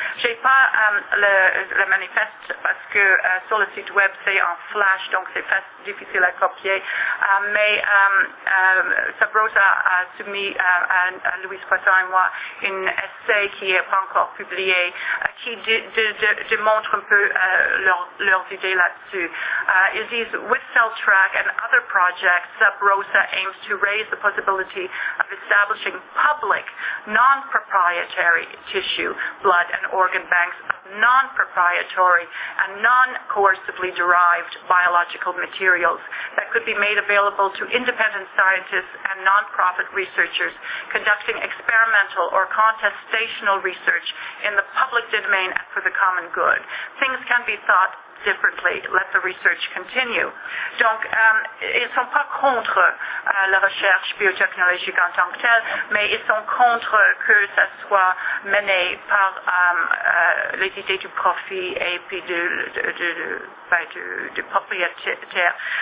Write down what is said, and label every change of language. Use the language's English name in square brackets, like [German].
[French] Je n'ai pas le manifeste parce que sur le site web, c'est en flash, donc c'est difficile à copier, mais sub-Rosa a soumis à Louise Poisson et moi un essai qui n'est pas encore publié, qui démontrent un peu leurs idées là-dessus. Ils disent, [English] with CellTrack and other projects, Sub-Rosa aims to raise the possibility of establishing public, non-proprietary tissue, blood and organ banks of non-proprietary and non-coercively derived biological materials that could be made available to independent scientists and non-profit researchers conducting experimental or contestational research in the public domain and for the common good. Things can be thought differently. Let the research continue. [French] Donc, ils ne sont pas contre la recherche biotechnologique en tant que telle, mais ils sont contre que ça soit mené par les idées du profit et puis de propriétaire.